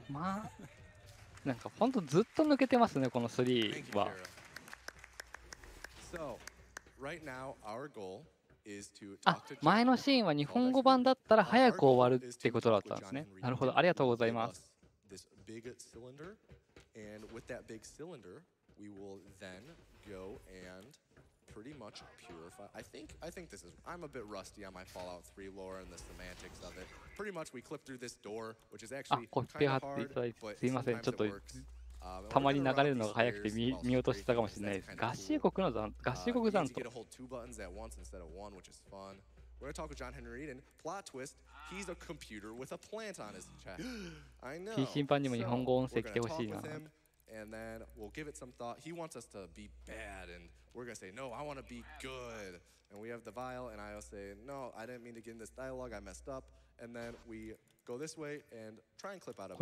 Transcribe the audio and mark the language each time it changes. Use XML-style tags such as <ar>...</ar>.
<ja>まあ、なんか本当ずっと抜けてますね、この3は。</ja> <en>Thank you, Cheryl. So, right now, our goal is to talk to John.</en> <ja>前のシーンは日本語版だったら早く終わるってことだったんですね。なるほど、ありがとうございます。</ja> <en>This big cylinder, and with that big cylinder, we will then go and... Pretty much purify. I think this is. I'm a bit rusty on my Fallout 3 lore and the semantics of it. Pretty much, we clip through this door, which is actually kind of hard.</en> <ja>すいません、ちょっとたまに流れるのが早くて見落としたかもしれないです。合衆国残党。</ja> <en>You get to hold two buttons at once instead of one, which is fun. We're gonna talk with John Henry Eden. Plot twist: he's a computer with a plant on his chest. I know.</en> <ja>審判にも日本語音声来てほしいな。</ja> <en>And then we'll give it some thought. He wants us to be bad, and we're gonna say, No, I want to be good. And we have the vial, and I'll say, No, I didn't mean to get in this dialogue, I messed up. And then we go this way and try and clip out of</en>